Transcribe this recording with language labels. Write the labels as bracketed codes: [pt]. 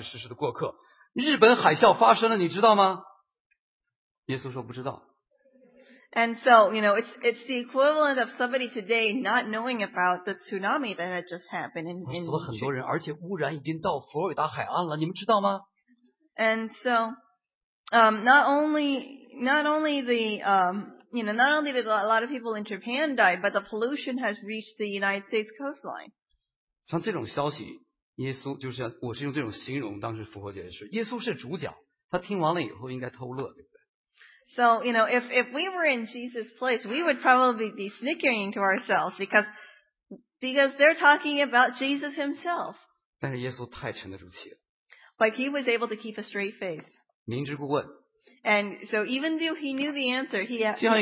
[zh] 有点像哥巴流这个人，一听这人回答就知道这不关心国家大事，是的过客。日本海啸发生了，你知道吗？耶稣说不知道。 [en] And so, you know, it's the equivalent of somebody today not knowing about the tsunami that had just happened in. [zh] 死了很多人，而且污染已经到佛罗里达海岸了，你们知道吗？ [en] And so, not only did a lot of people in Japan die, but the pollution has reached the United States coastline. [zh] 像这种消息，耶稣就是我是用这种形容，当时复活节的事，耶稣是主角，他听完了以后应该偷乐，对不对？ [en] So you know, if we were in Jesus' place, we would probably be snickering to ourselves because they're talking about Jesus himself. [zh] 但是耶稣太沉得住气了。 [en] But he was able to keep a straight face. [zh] 明知故问。 [en] And so even though he knew the answer, he asked.